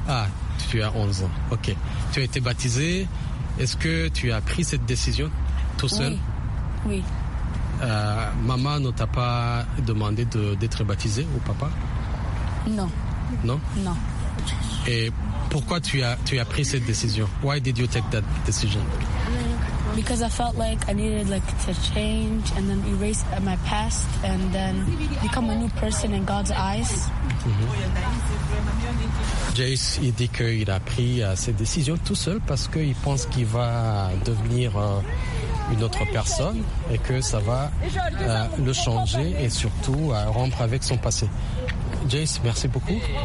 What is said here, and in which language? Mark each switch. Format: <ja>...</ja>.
<fr>Ah, tu as 11 ans. Ok. Tu as été baptisé. Est-ce que tu as pris cette décision tout seul? Oui. Oui. Maman ne t'a pas demandé d'être baptisé ou papa? Non. Non? Non. Et pourquoi tu as pris cette décision?</fr> <en>Why did you take that decision? Because I felt like I needed like to change and then erase my past and then become a new person in God's eyes. Mm-hmm.</en> <fr>Jace, il dit qu'il a pris cette décision tout seul parce qu'il pense qu'il va devenir une autre personne et que ça va le changer et surtout rompre avec son passé. Jace, merci beaucoup.</fr>